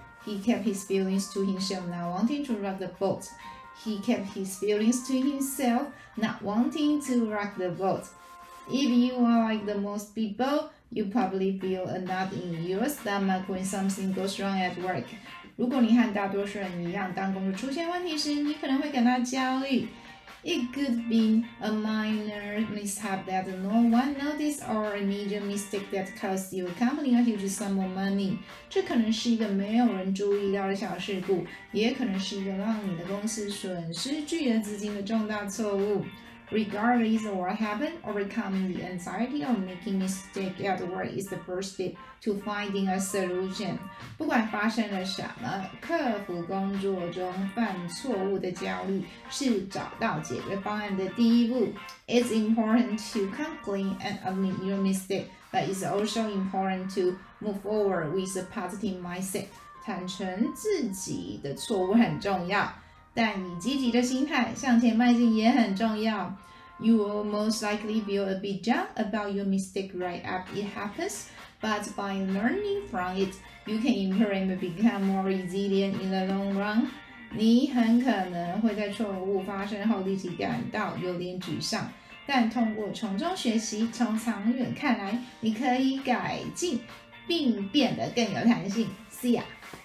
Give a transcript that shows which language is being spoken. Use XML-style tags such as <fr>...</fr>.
<en>He kept his feelings to himself, not wanting to rock the boat. He kept his feelings to himself, not wanting to rock the boat. If you are like the most people,You probably feel a knot in your stomach when something goes wrong at work.</en> <zh>如果你和大多数人一样，当工作出现问题时，你可能会感到焦虑。</zh> <en>It could be a minor mishap that no one noticed or a major mistake that cost your company a huge sum of money.</en> <zh>这可能是一个没有人注意到的小事故，也可能是一个让你的公司损失巨额资金的重大错误。</zh> <en>Regardless of what happened, overcoming the anxiety of making mistake at work is the first step to finding a solution.</en> <zh>不管发生了什么，克服工作中犯错误的焦虑是找到解决方案的第一步。</zh> <en>It's important to come clean and admit your mistake, but it's also important to move forward with a positive mindset.</en> <zh>坦诚自己的错误很重要。但以积极的心态向前迈进也很重要。</zh> <en>You will most likely feel a bit down about your mistake right after it happens, but by learning from it, you can improve and become more resilient in the long run.</en> <zh>你很可能会在错误发生后立即感到有点沮丧，但通过从中学习，从长远看来，你可以改进，并变得更有弹性。</zh> <en>See ya!</en>